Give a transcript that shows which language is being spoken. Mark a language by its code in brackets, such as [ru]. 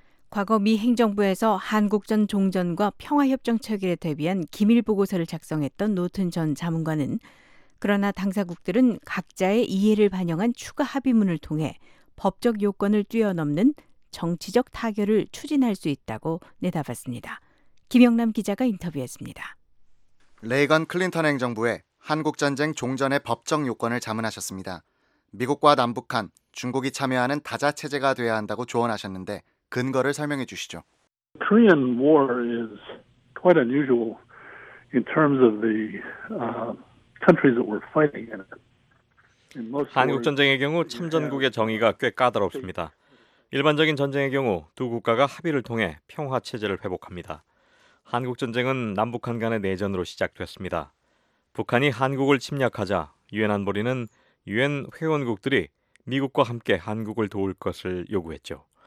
[ko] 과거 미 행정부에서 한국전 종전과 평화협정 체결에 대비한 기밀보고서를 작성했던 노튼 전 자문관은 그러나 당사국들은 각자의 이해를 반영한 추가 합의문을 통해 법적 요건을 뛰어넘는 정치적 타결을 추진할 수 있다고 내다봤습니다. 김영남 기자가 인터뷰했습니다. 레이건 클린턴 행정부의 한국전쟁 종전의 법적 요건을 자문하셨습니다. 미국과 남북한, 중국이 참여하는 다자 체제가 돼야 한다고 조언하셨는데 근거를 설명해 주시죠. [en] Korean War is quite unusual in terms of the countries that were fighting in it. [ko] 한국 전쟁의 경우 참전국의 정의가 꽤 까다롭습니다. 일반적인 전쟁의 경우 두 국가가 합의를 통해 평화 체제를 회복합니다. 한국 전쟁은 남북한 간의 내전으로 시작됐습니다. 북한이 한국을 침략하자 유엔 안보리는 유엔 회원국들이 미국과 함께 한국을 도울 것을 요구했죠.